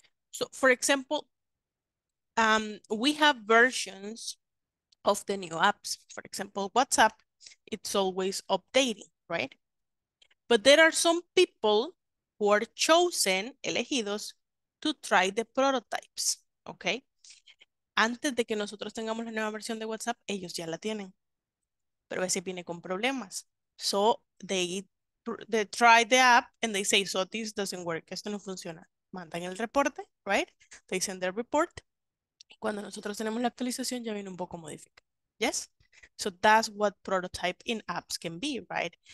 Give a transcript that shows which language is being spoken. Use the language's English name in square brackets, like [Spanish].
[English] So for example, we have versions of the new apps. For example, WhatsApp, it's always updating, right? But there are some people who are chosen, [Spanish] elegidos, [English] to try the prototypes, okay? [Spanish] Antes de que nosotros tengamos la nueva versión de WhatsApp, ellos ya la tienen. Pero a veces viene con problemas. [English] So they try the app and they say, so this doesn't work, [Spanish] esto no funciona. Mandan el reporte, right? [English] They send their report. [Spanish] Cuando nosotros tenemos la actualización, ya viene un poco modificada. Yes? [English] So that's what prototype in apps can be, right?